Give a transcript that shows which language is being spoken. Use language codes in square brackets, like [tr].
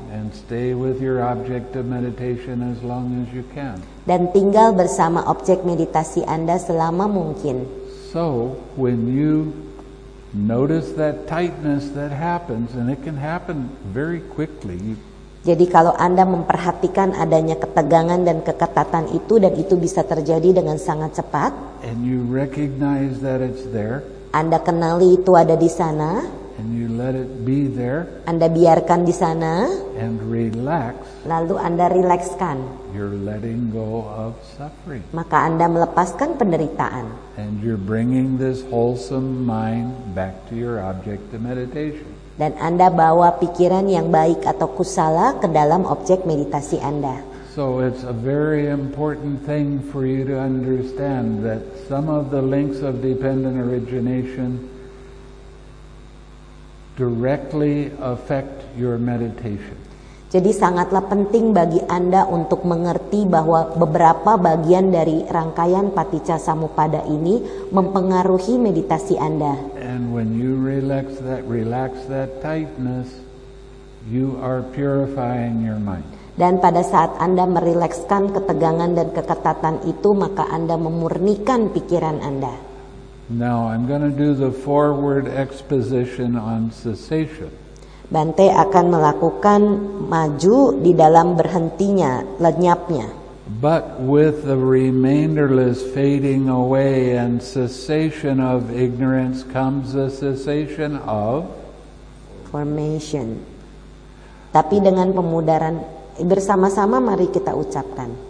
[en] And stay with your object of meditation as long as you can. [id] Dan tinggal bersama objek meditasi Anda selama mungkin. [en] So, when you notice that tightness that happens, and it can happen very quickly. [id] Jadi kalau Anda memperhatikan adanya ketegangan dan keketatan itu, dan itu bisa terjadi dengan sangat cepat. [en] And you recognize that it's there. [id] Anda kenali itu ada di sana. [en] And you let it be there. [id] Anda biarkan di sana. [en] And relax. [id] Lalu Anda rilekskan. [en] You're letting go of suffering. [id] Maka Anda melepaskan penderitaan. [en] And you're bringing this wholesome mind back to your object of meditation. [id] Dan Anda bawa pikiran yang baik atau kusala ke dalam objek meditasi Anda. [en] So it's a very important thing for you to understand that some of the links of dependent origination directly affect your meditation. [id] Jadi sangatlah penting bagi Anda untuk mengerti bahwa beberapa bagian dari rangkaian paticca-samuppada ini mempengaruhi meditasi Anda. [en] And when you relax that tightness, you are purifying your mind. [id] Dan pada saat Anda merilekskan ketegangan dan keketatan itu, maka Anda memurnikan pikiran Anda. [en] Now I'm going to do the forward exposition on cessation. [id] Bante akan melakukan maju di dalam berhentinya, lenyapnya. [en] But with the remainderless fading away and cessation of ignorance comes the cessation of formation. [id] Tapi dengan pemudaran, bersama-sama mari kita ucapkan.